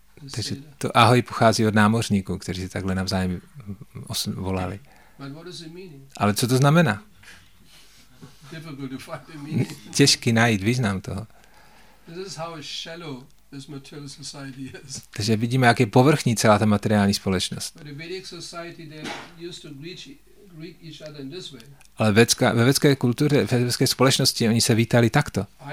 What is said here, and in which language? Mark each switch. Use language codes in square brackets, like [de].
[cs] Takže to ahoj pochází od námořníků, kteří se takhle navzájem volali. [en] But what is the meaning? [cs] Ale co to znamená? [en] Difficult to find the meaning. [cs] Těžký najít význam toho. [en] This is how shallow this material society is. [cs] Takže vidíme, jak je povrchní celá ta materiální společnost. [en] But the Vedic society, they used to greet each other in this way. [cs] Ale ve vedské kultuře, ve vedské společnosti, oni se vítali takto.